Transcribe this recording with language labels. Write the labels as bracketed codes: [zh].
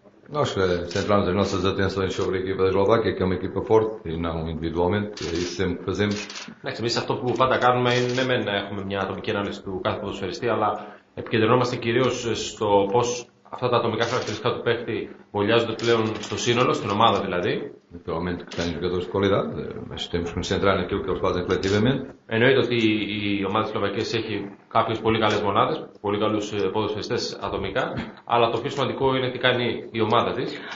[pt] Nós centramos as nossas atenções sobre a equipa da Eslováquia, que é uma equipa forte, e não individualmente, é isso sempre que fazemos. [el] Εμείς αυτό που πάντα κάνουμε είναι ναι, μεν έχουμε μια ατομική ανάλυση του κάθε ποδοσφαιριστή, αλλά επικεντρωνόμαστε κυρίως στο πώς αυτά τα ατομικά χαρακτηριστικά του παίχτη βολιάζονται πλέον στο σύνολο, στην ομάδα δηλαδή. [pt] Naturalmente que tenham jogadores de qualidade, mas temos que nos centrar naquilo que eles fazem coletivamente. [el] Εννοείται ότι η ομάδα της Σλοβακίας έχει κάποιες πολύ καλές μονάδες, πολύ καλούς ποδοσφαιριστές ατομικά, αλλά το πιο σημαντικό είναι τι κάνει η ομάδα της.